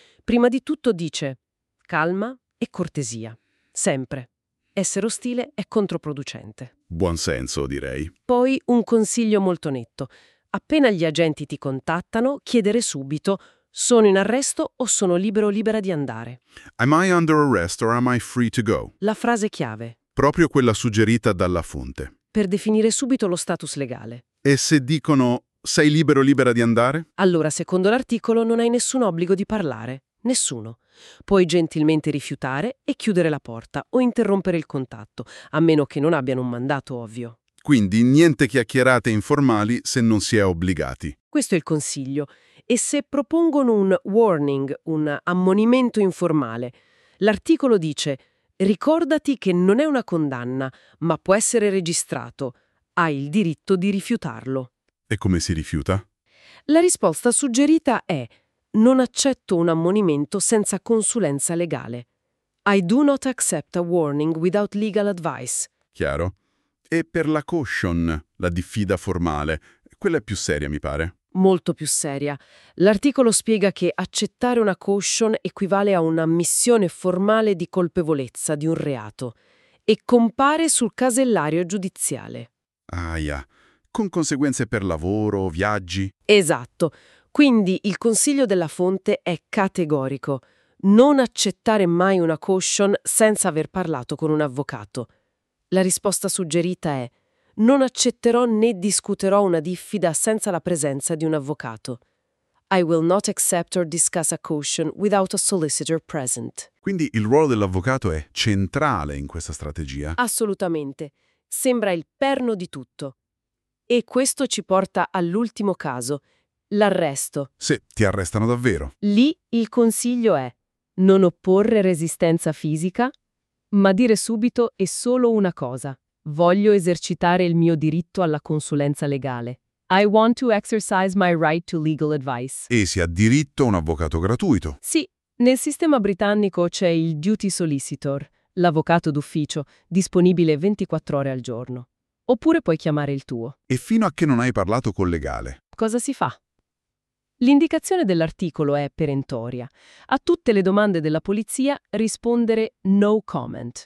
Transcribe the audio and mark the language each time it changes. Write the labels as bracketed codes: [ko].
[it] Prima di tutto dice calma e cortesia. Sempre. Essere ostile è controproducente. Buon senso, direi. Poi un consiglio molto netto. Appena gli agenti ti contattano, chiedere subito sono in arresto o sono libero o libera di andare. [en] Am I under arrest or am I free to go? [it] La frase chiave. Proprio quella suggerita dalla fonte. Per definire subito lo status legale. E se dicono sei libero o libera di andare? Allora, secondo l'articolo, non hai nessun obbligo di parlare. Nessuno. Puoi gentilmente rifiutare e chiudere la porta o interrompere il contatto, a meno che non abbiano un mandato ovvio. Quindi niente chiacchierate informali se non si è obbligati. Questo è il consiglio. E se propongono un warning, un ammonimento informale, l'articolo dice ricordati che non è una condanna, ma può essere registrato. Hai il diritto di rifiutarlo. E come si rifiuta? La risposta suggerita è non accetto un ammonimento senza consulenza legale. [en] I do not accept a warning without legal advice. [it] Chiaro. E per la caution, la diffida formale, quella è più seria, mi pare. Molto più seria. L'articolo spiega che accettare una caution equivale a un'ammissione formale di colpevolezza di un reato e compare sul casellario giudiziale. Ahia. Con conseguenze per lavoro, viaggi? Esatto. Quindi il consiglio della fonte è categorico. Non accettare mai una caution senza aver parlato con un avvocato. La risposta suggerita è: non accetterò né discuterò una diffida senza la presenza di un avvocato. [en] I will not accept or discuss a caution without a solicitor present. [it] Quindi il ruolo dell'avvocato è centrale in questa strategia? Assolutamente. Sembra il perno di tutto. E questo ci porta all'ultimo caso, l'arresto. Se ti arrestano davvero. Lì il consiglio è non opporre resistenza fisica, ma dire subito e solo una cosa. Voglio esercitare il mio diritto alla consulenza legale. [en] I want to exercise my right to legal advice. [it] E si ha diritto a un avvocato gratuito. Sì, nel sistema britannico c'è il duty solicitor, l'avvocato d'ufficio, disponibile 24 ore al giorno. Oppure puoi chiamare il tuo. E fino a che non hai parlato col legale? Cosa si fa? L'indicazione dell'articolo è perentoria. A tutte le domande della polizia rispondere [en] no comment.